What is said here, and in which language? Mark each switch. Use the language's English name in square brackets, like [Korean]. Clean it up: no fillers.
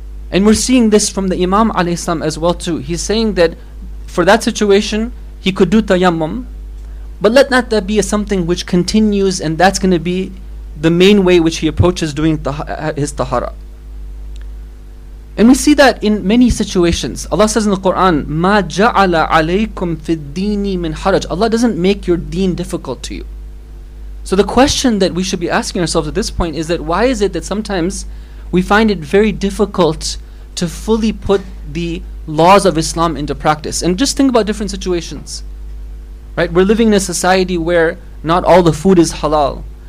[English] And we're seeing this from the Imam alayhi salam as well too. He's saying that for that situation, he could do tayammum, but let not that be a something which continues, and that's going to be the main way which he approaches doing his tahara. And we see that in many situations. Allah says in the Quran, [Arabic] مَا جَعَلَ عَلَيْكُمْ فِي الدِّينِ مِنْ حَرَجٍ. [English] Allah doesn't make your deen difficult to you. So the question that we should be asking ourselves at this point is that why is it that sometimes we find it very difficult to fully put the laws of Islam into practice? And just think about different situations. Right? We're living in a society where not all the food is halal.